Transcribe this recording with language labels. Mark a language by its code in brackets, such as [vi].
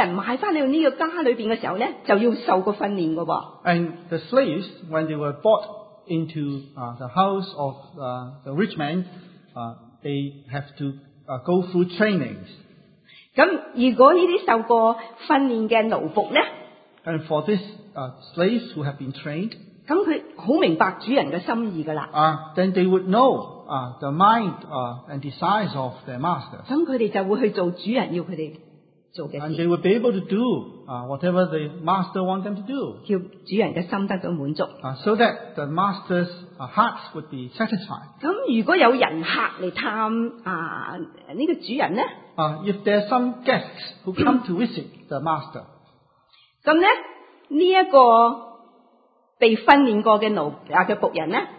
[zh] 那些奴仆被这个主人买回来这个家里面的时候呢, 就要受过训练的。 [en] And the slaves, when they were bought into the house of the rich man, they have to go through trainings. [zh] 如果这些受过训练的奴仆呢, [en] and for these slaves who have been trained, [zh] 他很明白主人的心意的了, [en] then they would know the mind and desires of their masters. [zh] 他们就会去做主人要他们做的事, [en] and they would be able to do whatever the master wants them to do. [zh] 叫主人的心得到满足, [en] so that the master's hearts would be satisfied. [zh] 如果有人客来探, [en] if there are some guests who come to visit the master, [zh] 那呢, 这个, 被训练过的奴仆人呢?